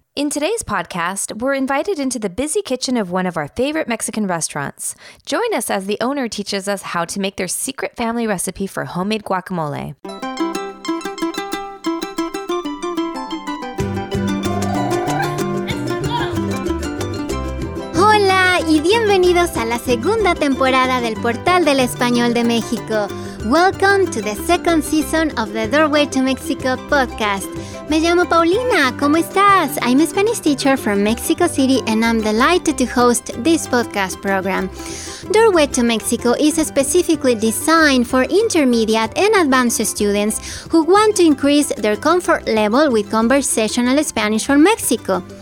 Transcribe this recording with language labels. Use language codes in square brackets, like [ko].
[en] In today's podcast, we're invited into the busy kitchen of one of our favorite Mexican restaurants. Join us as the owner teaches us how to make their secret family recipe for homemade guacamole. [es] Hola y bienvenidos a la segunda temporada del Portal del Español de México. [en] Welcome to the second season of the Doorway to Mexico podcast. [es] Me llamo Paulina, ¿cómo estás? [en] I'm a Spanish teacher from Mexico City and I'm delighted to host this podcast program. Doorway to Mexico is specifically designed for intermediate and advanced students who want to increase their comfort level with conversational Spanish from Mexico.